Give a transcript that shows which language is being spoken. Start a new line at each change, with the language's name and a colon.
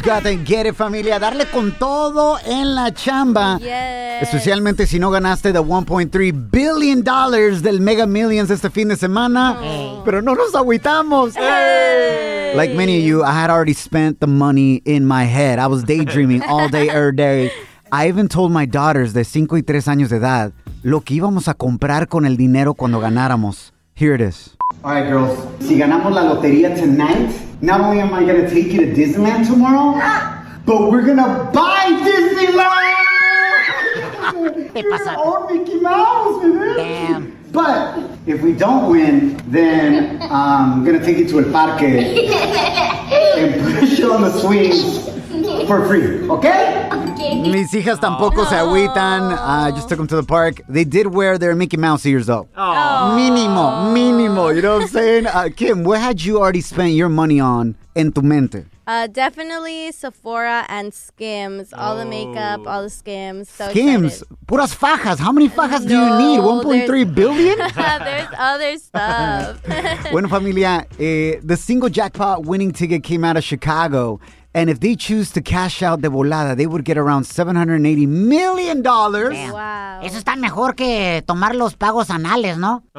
English: God, and get it,
Spanish: familia. Darle con todo en la chamba.
English: Yes.
Spanish: Especialmente si no ganaste
English: the $1.3 billion
Spanish: del Mega Millions este fin de semana.
English: Oh.
Spanish: Pero no nos agüitamos.
English: Hey. Like many of you, I had already spent the money in my head. I was daydreaming all day, every day. I even told my daughters
Spanish: de 5 y 3 años de edad lo que íbamos a comprar con el dinero cuando ganáramos.
English: Here it is. All right, girls.
Spanish: Si ganamos la lotería
English: tonight, not only am I going to take you to Disneyland tomorrow, but we're going to buy Disneyland!
Spanish: ¿Qué pasa?
English: Your own Mickey Mouse, man. Damn. But if we don't win, then I'm going to take you to
Spanish: El Parque
English: and push you on the swings. For free, okay?
Spanish: Mis hijas tampoco se agüitan.
English: I just took them to the park. They did wear their Mickey Mouse ears, though. Aww.
Spanish: Mínimo, mínimo.
English: You know what I'm saying? Kim, what had you already spent your money on
Spanish: en tu mente?
English: Definitely Sephora and Skims. All the makeup, all the Skims. So Skims? Excited.
Spanish: Puras fajas.
English: How many fajas do you need? $1.3 billion? There's other stuff.
Spanish: Bueno,
English: familia, the single jackpot winning ticket came out of Chicago. And if they choose to cash out
Spanish: de volada,
English: they would get around $780 million. Wow.
Spanish: Eso está mejor que tomar los pagos anuales, ¿no?